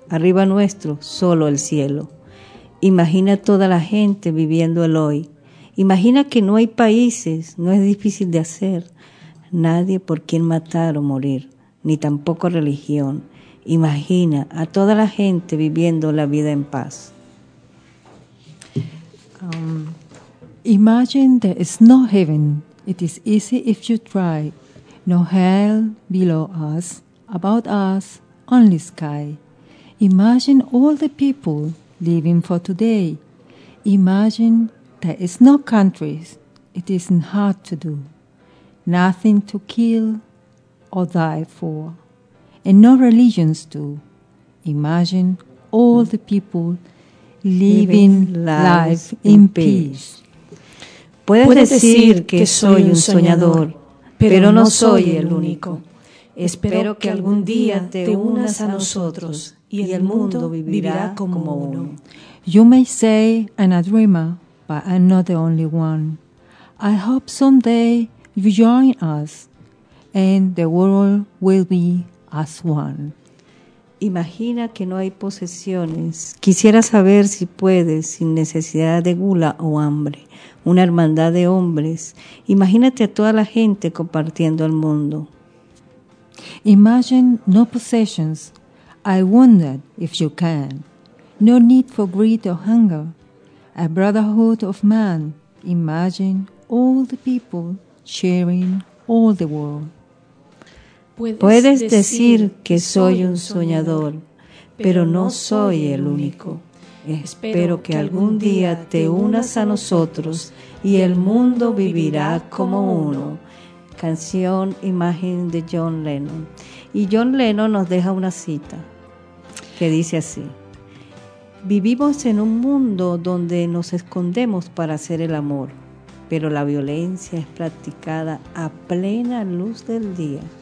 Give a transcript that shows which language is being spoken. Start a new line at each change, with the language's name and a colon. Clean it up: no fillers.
Spanish: Arriba nuestro, solo el cielo. Imagina toda la gente viviendo el hoy. Imagina que no hay países, no es difícil de hacer. Nadie por quien matar o morir, ni tampoco religión. Imagina a toda la gente viviendo la vida en paz.
English: Imagine there is no heaven. It is easy if you try. No hell below us, about us, only sky. Imagine all the people living for today. Imagine there is no countries. It isn't hard to do. Nothing to kill or die for. And no religions do. Imagine all the people living life in peace.
Spanish: Puedes decir que soy un soñador, pero no soy el único. Espero que algún día te unas a nosotros. Y el mundo vivirá como uno.
English: You may say I'm a dreamer, but I'm not the only one. I hope someday you join us, and the world will be as one.
Spanish: Imagina que no hay posesiones. Quisiera saber si puedes, sin necesidad de gula o hambre, una hermandad de hombres. Imagínate a toda la gente compartiendo el mundo.
English: Imagine no possessions. I wonder if you can. No need for greed or hunger. A brotherhood of man. Imagine all the people sharing all the world.
Spanish: Puedes decir que soy un soñador, pero no soy el único. Espero que algún día te unas a nosotros y el mundo vivirá como uno. Canción Imagen de John Lennon. Y John Lennon nos deja una cita que dice así: vivimos en un mundo donde nos escondemos para hacer el amor, pero la violencia es practicada a plena luz del día.